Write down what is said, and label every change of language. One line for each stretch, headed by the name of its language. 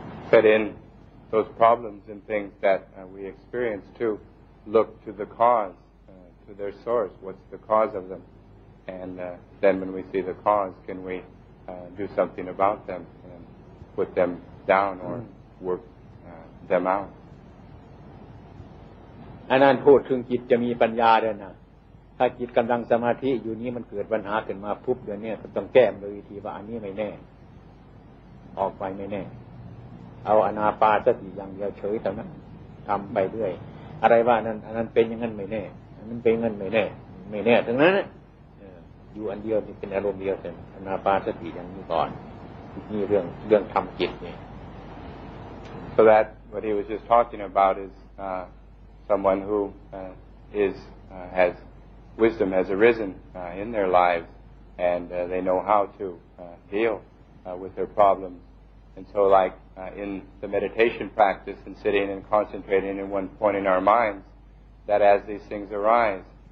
English: But in those problems and things that we experience to look to the cause to their source what's the cause of them and then when we see the cause can wedo something about them and put them down or work them out and then
Thai: พูดถึงจิตจะมีปัญญาด้วยนะถ้าจิตกำลังสมาธิอยู่นี้มันเกิดปัญหาขึ้นมาปุ๊บเดี๋ยวนี้ก็ต้องแก้ด้วยวิธีว่าอันนี้ไม่แน่ออกไปไม่แน่เอาอนาปาสติอย่างเดียวเฉยเท่านั้นทำไปเรื่อยอะไรว่านั้นอันนั้นเป็นอย่างนั้นไม่แน่อันนั้นเป็นอย่างนั้นไม่แน่ไม่แน่ทั้งนั้นอยู่อันเดียวเป็นอารมณ์เดียวเป็นอนาปานสติอย่างนี้ก่อนนี่เรื่องทำจิตนี่
English: So that what he was just talking about is someone who is has wisdom has arisen in their lives and they know how to deal with their problems and so like in the meditation practice and sitting and concentrating in one point in our minds that as these things arise